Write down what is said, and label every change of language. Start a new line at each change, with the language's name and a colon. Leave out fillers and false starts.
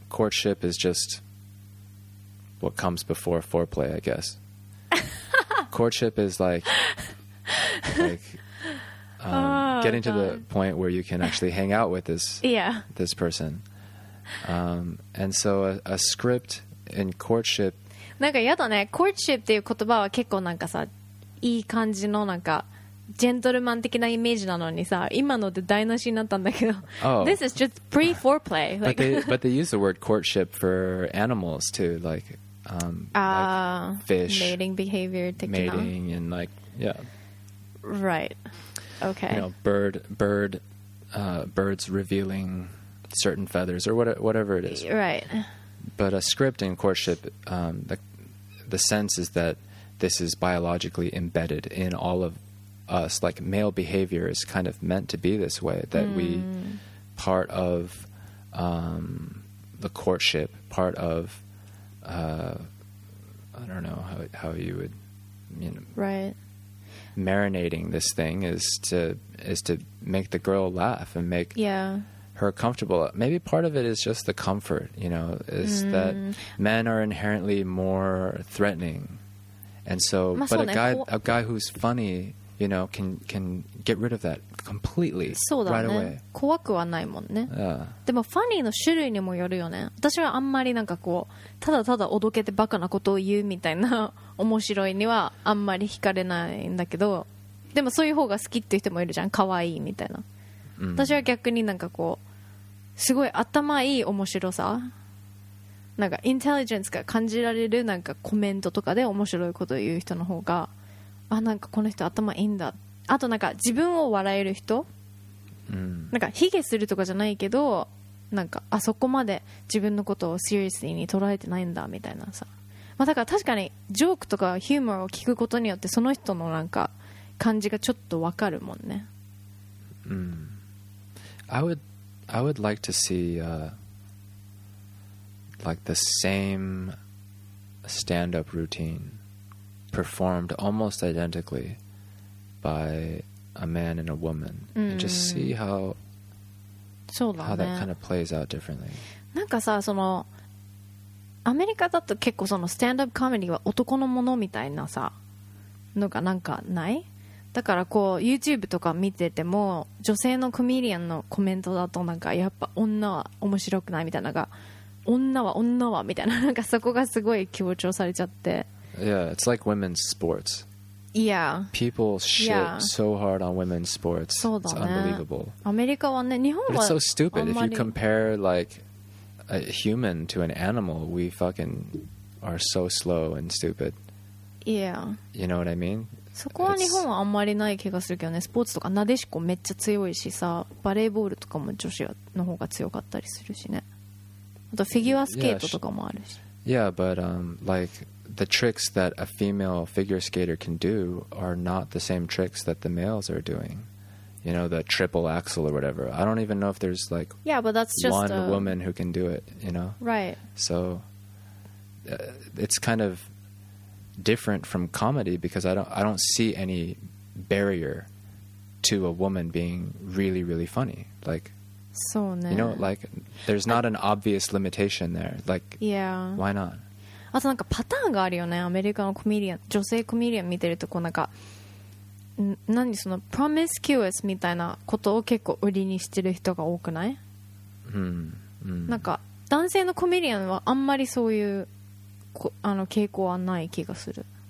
English: courtship is just what comes before foreplay, I guess. Courtship is getting to the point where you can actually hang out with this this person. And so a script in courtship.
Japanese: なんかやだね。 courtship っていう言葉は結構なんかさ、いい感じのなんかジェントルマン的なイメージなのにさ、今ので台無しになったんだけど。
English: Oh. This is just pre-foreplay. Like, but they use the word courtship for animals too, like fish. Mating behavior
Japanese: 的な。
English: Mating and like, yeah. Right. Okay. You know, birds revealing certain feathers or whatever it is. Right. But a script in courtship, the sense is that this is biologically embedded in all of us. Like male behavior is kind of meant to be this way, that we part of the courtship, part of I don't know how you would, you know, right, marinating this thing is to make the girl laugh and make her comfortable. Maybe part of it is just the comfort, you know, is that men are inherently more threatening. And so, but a guy who's funny, you know, can get rid of that completely right away.
Japanese: 怖くはないもんね。
English: Yeah.
Japanese: でもファニーの種類にもよるよね。私はあんまりなんかこう、ただただおどけてバカなことを言うみたいな面白いにはあんまり惹かれないんだけど、でもそういう方が好きっていう人もいるじゃん。可愛いみたいな。私は逆になんかこうすごい頭いい面白さ、なんかインテリジェンスが感じられるなんかコメントとかで面白いことを言う人の方が、あ、なんかこの人頭いいんだ。あとなんか自分を笑える人、なんかヒゲするとかじゃないけど、なんかあそこまで自分のことをシリアスに捉えてないんだみたいなさ、まあ、だから確かにジョークとかヒューモアを聞くことによってその人のなんか感じがちょっとわかるもんね。
English: I would like to see like the same stand-up routine performed almost identically by a man and a woman, and just see how that kind of plays out differently.
Japanese: なんかさ、そのアメリカだと結構そのスタンドアップコメディは男のものみたいなさのがなんかない？だからこう YouTube とか見てても女性のコメディアンのコメントだとなんかやっぱ女は面白くないみたいなが、女はみたいな、なんかそこがすごい強調されちゃって。
English: Yeah, it's like women's sports. Yeah. People shit so hard on women's sports.
Japanese: そうだね。
English: It's unbelievable.
Japanese: アメリカはね、日本は、
English: But it's so stupid. If you compare like a human to an animal, we fucking are so slow and stupid. Yeah. You know what I mean?
Japanese: そこは日本はあんまりない気がするけどね。スポーツとかなでしこめっちゃ強いしさ、バレーボールとかも女子の方が強かったりするしね。あとフィギュアスケートとかもあるし。
English: Yeah, but like the tricks that a female figure skater can do are not the same tricks that the males are doing. You know, the triple axel or whatever. I don't even know if there's like yeah, but that's just one woman who can do it, you know? Right. So it's kind ofdifferent from comedy because I don't see any barrier to a woman being really really funny, like,
Japanese: そうね、
English: you know, like there's not an obvious limitation there, like, yeah, why not?
Japanese: あとなんかパターンがあるよね。アメリカのコメディアン、女性コメディアン見てるとこうなんか何そのプロミスキュアスみたいなことを結構売りにしてる人が多くない？なんか男性のコメディアンはあんまりそういうあの傾向はない気がする。